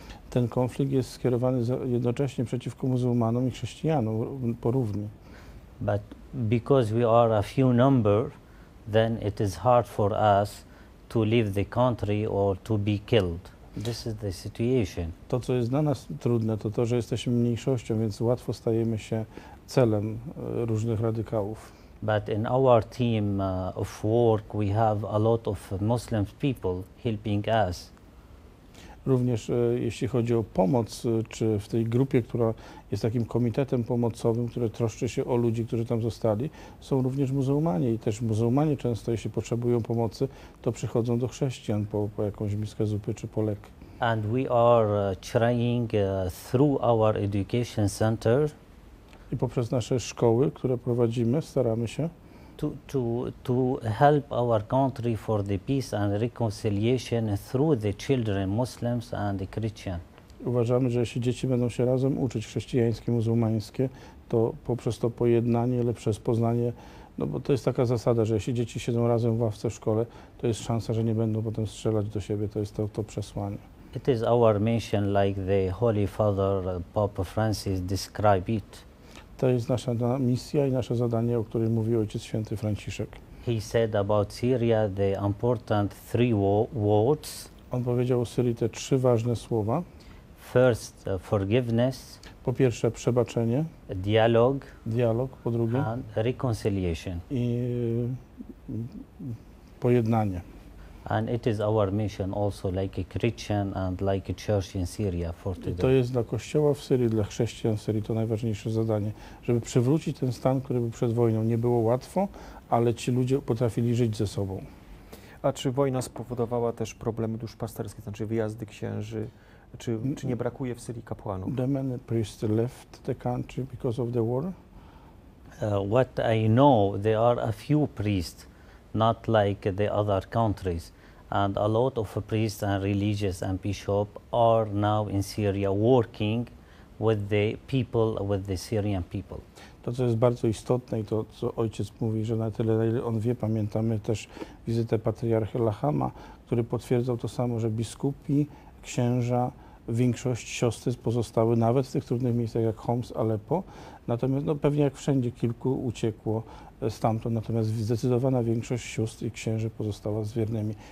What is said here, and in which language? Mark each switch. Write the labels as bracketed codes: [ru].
[pl] Ten konflikt jest skierowany jednocześnie przeciwko muzułmanom i chrześcijanom porówni. [en] But because we are a few number, then it is hard for us to leave the country or to be killed. This is the situation. [pl] To, co jest dla nas trudne, to to, że jesteśmy mniejszością, więc łatwo stajemy się celem różnych radykałów. [en] But in our team of work, we have a lot of Muslim people helping us. [pl] Również jeśli chodzi o pomoc, czy w tej grupie, która jest takim komitetem pomocowym, który troszczy się o ludzi, którzy tam zostali, są również muzułmanie i też muzułmanie często, jeśli potrzebują pomocy, to przychodzą do chrześcijan po jakąś miskę zupy czy po lek. [en] And we are trying through our education center. [pl] I poprzez nasze szkoły, które prowadzimy, staramy się [en] To help our country for the peace and reconciliation through the children, Muslims and the Christian. [pl] Uważamy, że jeśli dzieci będą się razem uczyć chrześcijańskie, muzułmańskie, to poprzez to pojednanie, lepsze poznanie, no bo to jest taka zasada, że jeśli dzieci siedzą razem w ławce w szkole, to jest szansa, że nie będą potem strzelać do siebie, to jest to przesłanie. [en] It is our mission like the Holy Father Pope Francis described it. [pl] To jest nasza misja i nasze zadanie, o którym mówił Ojciec Święty Franciszek. [en] He said about Syria the important three words. [pl] On powiedział o Syrii te trzy ważne słowa. [en] First, forgiveness. [pl] Po pierwsze, przebaczenie. Dialog. Dialog, po drugie. [en] And reconciliation. [pl] I pojednanie. [en] And it is our mission also like a Christian and like a church in Syria for today. [pl] I to jest dla kościoła w Syrii, dla chrześcijan w Syrii to najważniejsze zadanie, żeby przywrócić ten stan, który był przed wojną. Nie było łatwo, ale ci ludzie potrafili żyć ze sobą. A czy wojna spowodowała też problemy duszpasterskie, znaczy wyjazdy księży, czy nie brakuje w Syrii kapłanów? [en] The many priests left the country because of the war? What I know, there are a few priests. Not like the other countries, and a lot of priests and religious and bishops are now in Syria working with the people, with the Syrian people. [pl] To, co jest bardzo istotne i to, co ojciec mówi, że na tyle, na ile on wie, pamiętamy też wizytę patriarchy Lahama, który potwierdzał to samo, że biskupi, księża, większość siostry pozostały nawet w tych trudnych miejscach jak Homs, Aleppo. Natomiast no, pewnie jak wszędzie kilku uciekło stamtąd, natomiast zdecydowana większość sióstr i księży pozostała z wiernymi.